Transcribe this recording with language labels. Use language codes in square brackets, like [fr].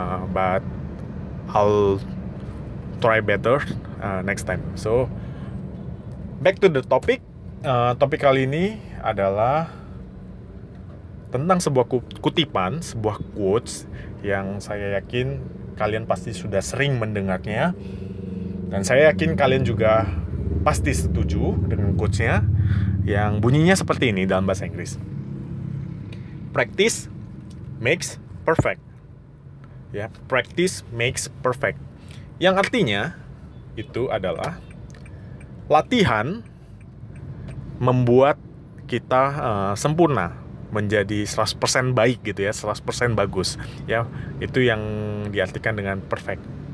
[en] But I'll try better next time. So, back to the topic. [id] Topik kali ini adalah tentang sebuah kutipan, sebuah quotes yang saya yakin kalian pasti sudah sering mendengarnya, dan saya yakin kalian juga pasti setuju dengan quotes-nya yang bunyinya seperti ini dalam bahasa Inggris. [en] Practice makes perfect. Ya, practice makes perfect. [id] Yang artinya itu adalah latihan membuat kita sempurna. Menjadi 100% baik gitu ya, 100% bagus. Ya, itu yang diartikan dengan perfect.